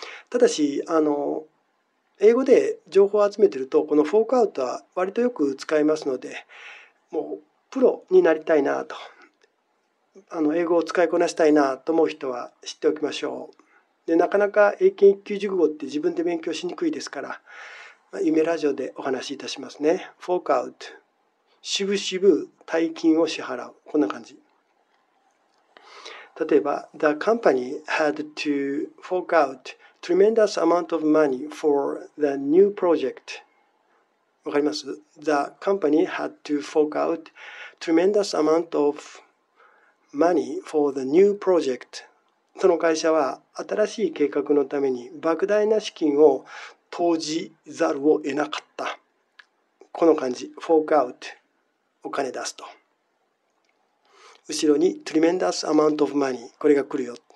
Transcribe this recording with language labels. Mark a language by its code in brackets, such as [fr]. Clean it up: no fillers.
[ja] ただし、英語で情報を集めてると、このフォークアウトは割とよく使いますので、もうプロになりたいなと、英語を使いこなしたいなと思う人は知っておきましょう。で、なかなか英検一級熟語って自分で勉強しにくいですから、夢ラジオでお話しいたしますね。フォークアウト、しぶしぶ大金を支払う。こんな感じ。例えば、 [en] The company had to fork out tremendous amount of money for the new project. [ja] わかります? [en] The company had to fork out tremendous amount of money for the new project. [ja] その会社は新しい計画のために莫大な資金を投じざるを得なかった。この感じ。fork out。 お金出すと。後ろに [en] tremendous amount of money、 [ja] これが来るよ。